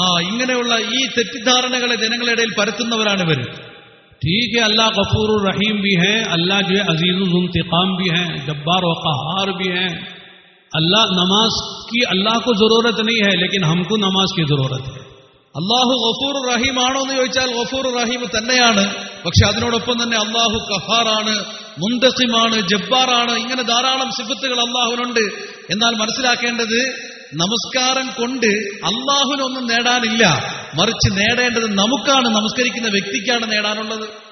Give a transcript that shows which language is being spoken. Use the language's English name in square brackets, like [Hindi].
[Malayalam] ഇങ്ങനെയുള്ള ഈ തെറ്റിദ്ധാരണകളെ ജനങ്ങളിടയിൽ പരത്തുന്നവരാണ് ഇവർ. [Urdu] ٹھیک ہے اللہ غفور الرحیم بھی ہے, اللہ جو ہے عزیز الانتقام بھی ہے, جبار و قہار بھی ہے. اللہ نماز کی اللہ کو ضرورت نہیں ہے لیکن ہم کو نماز کی ضرورت ہے. [Malayalam] اللہ غفور الرحیم ആണോ എന്ന് ചോദിച്ചാൽ غفور الرحیم തന്നെയാണ്, പക്ഷേ അതിനോടൊപ്പം തന്നെ അല്ലാഹു ഖഹാർ ആണ്, മുന്തസിം ആണ്, ജബ്ബാർ ആണ്, ഇങ്ങനെ ധാരാളം സിഫത്തുകൾ അല്ലാഹുവിനുണ്ട്. എന്നാൽ മനസ്സിലാക്കേണ്ടത് നമസ്കാരം കൊണ്ട് അല്ലാഹുവിനൊന്നും നേടാനില്ല, മറിച്ച് നേടേണ്ടത് നമുക്കാണ്, നമസ്കരിക്കുന്ന വ്യക്തിക്കാണ് നേടാനുള്ളത്.